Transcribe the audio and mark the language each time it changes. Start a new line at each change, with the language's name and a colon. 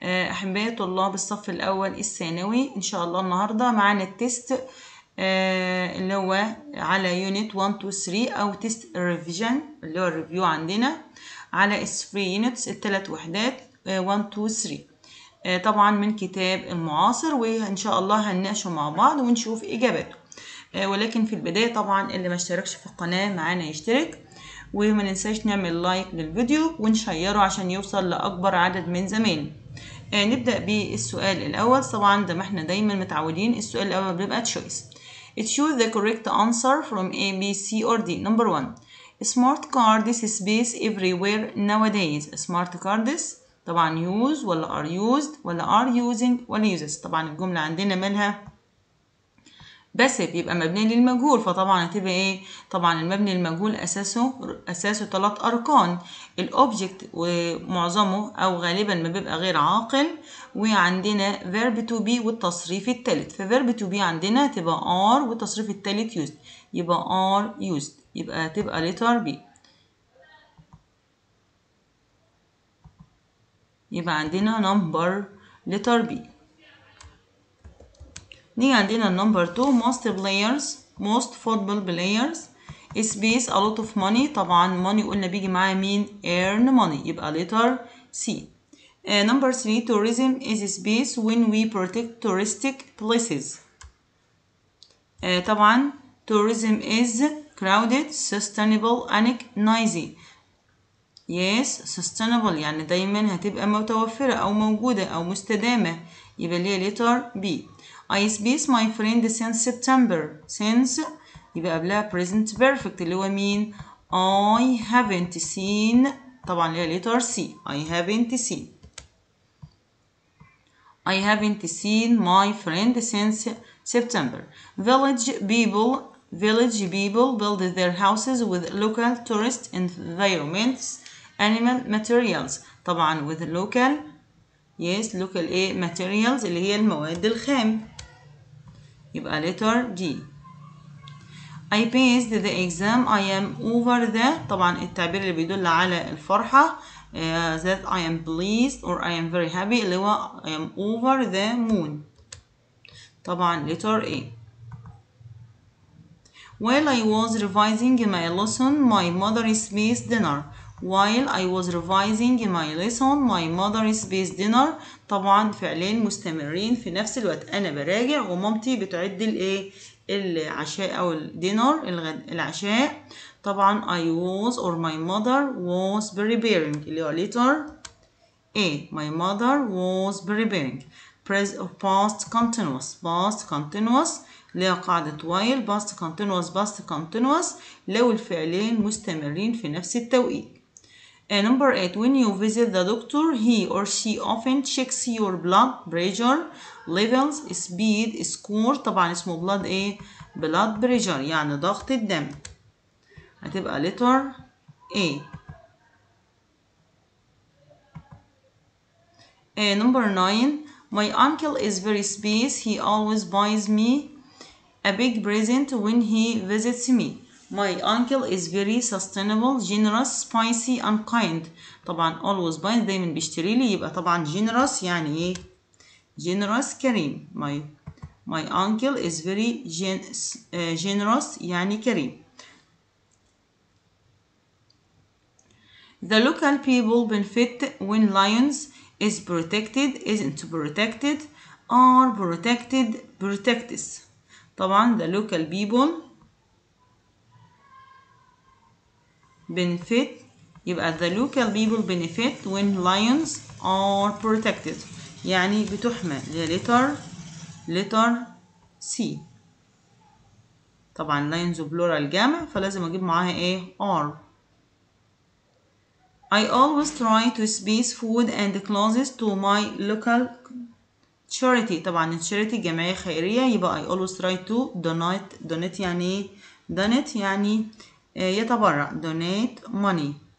Arabic: أحبائي طلاب الصف الأول الثانوي، إن شاء الله النهاردة معانا التست اللي هو على يونت 1 2 3 أو تيست ريفيجن اللي هو الريفيو عندنا على 3 يونتس الثلاث وحدات 1 2 3 طبعا من كتاب المعاصر، وإن شاء الله هنناقشه مع بعض ونشوف إجاباته. ولكن في البداية طبعا اللي ما اشتركش في القناة معانا يشترك، وما ننساش نعمل لايك للفيديو ونشيره عشان يوصل لأكبر عدد من زمان. نبدأ بالسؤال الأول. طبعا ده ما احنا دايما متعودين السؤال الأول بيبقى choice.
English: Choose the correct answer from A, B, C or D. Number one. Smart card is space everywhere nowadays. Smart card is طبعا use ولا are used ولا are using ولا uses.
Arabic: طبعا الجملة عندنا منها باسيف يبقى مبني للمجهول، فطبعا هتبقى ايه؟ طبعا المبني للمجهول اساسه تلات اركان، الاوبجكت ومعظمه او غالبا ما بيبقى غير عاقل، وعندنا فيرب تو بي والتصريف الثالث. ففيرب تو بي عندنا تبقى ار والتصريف الثالث يوزد، يبقى ار يوزد يبقى تبقى ليتر بي، يبقى عندنا نمبر ليتر بي. نيجي عندنا النمبر 2.
English: most players most football players space a lot of money.
Arabic: طبعا money قلنا بيجي معاه مين؟
English: earn money،
Arabic: يبقى
English: letter C. number 3. tourism is space when we protect touristic places. طبعا tourism is crowded sustainable and noisy. yes sustainable
Arabic: يعني دايما هتبقى متوفرة او موجودة او مستدامة، يبقى ليه
English: letter B. I space my friend since September. Since
Arabic: يبقى قبلها
English: present perfect
Arabic: اللي هو مين؟
English: I haven't seen.
Arabic: طبعا اللي هي
English: letter C. I haven't seen. I haven't seen my friend since September. Village people build their houses with local tourist environments, animal materials. طبعا with local. Yes, local A materials
Arabic: اللي هي المواد الخام.
English: يبقى letter D. I passed the exam. I am over the.
Arabic: طبعا التعبير اللي بيدل على الفرحة
English: that I am pleased or I am very happy
Arabic: اللي هو
English: I am over the moon. طبعا letter A. While I was revising my lesson my mother spaced dinner. While I was revising my lesson my mother spaced dinner.
Arabic: طبعا فعلين مستمرين في نفس الوقت، انا براجع ومامتي بتعد الايه؟ العشاء او الدينر العشاء.
English: طبعا I was or my mother was preparing
Arabic: اللي هو
English: letter A. my mother was preparing. past continuous past continuous
Arabic: اللي هي قاعدة
English: while past continuous past continuous
Arabic: لو الفعلين مستمرين في نفس التوقيت.
English: Number 8. When you visit the doctor, he or she often checks your blood pressure, levels, speed, score.
Arabic: طبعا اسمه
English: blood A. blood pressure
Arabic: يعني ضغط الدم. هتبقى
English: letter A. Number 9. My uncle is very space. He always buys me a big present when he visits me. My uncle is very sustainable, generous, spicy and kind.
Arabic: طبعا
English: always buy
Arabic: دايما بيشتري لي، يبقى طبعا generous يعني ايه؟ generous كريم.
English: My uncle is very generous يعني كريم. The local people benefit when lions is protected, isn't protected, are protected, protects. طبعا the local people benefit يبقى the local people benefit when lions are protected
Arabic: يعني بتحمى،
English: letter C.
Arabic: طبعا
English: lions plural
Arabic: جمع فلازم اجيب معاها ايه؟ are.
English: I always try to space food and clothes to my local charity. طبعا charity
Arabic: جمعية خيرية،
English: يبقى I always try to donate يعني donate
Arabic: يعني يتبرع،
English: donate money.